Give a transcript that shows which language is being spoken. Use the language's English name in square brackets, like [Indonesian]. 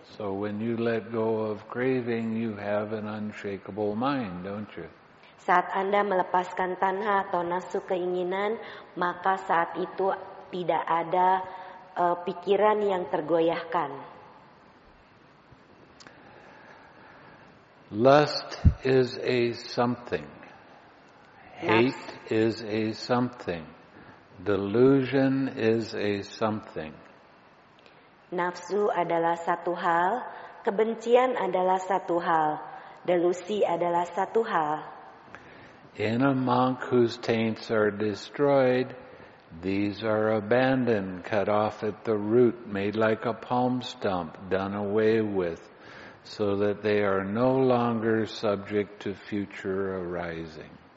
[English] So when you let go of craving, you have an unshakable mind, don't you? [Indonesian] Saat Anda melepaskan tanha atau nafsu keinginan, maka saat itu tidak ada pikiran yang tergoyahkan. [English] Lust is a something. Hate is a something. Delusion is a something. [Indonesian] Nafsu adalah satu hal, kebencian adalah satu hal, delusi adalah satu hal. [English] In a monk whose taints are destroyed, these are abandoned, cut off at the root, made like a palm stump, done away with, so that they are no longer subject to future arising.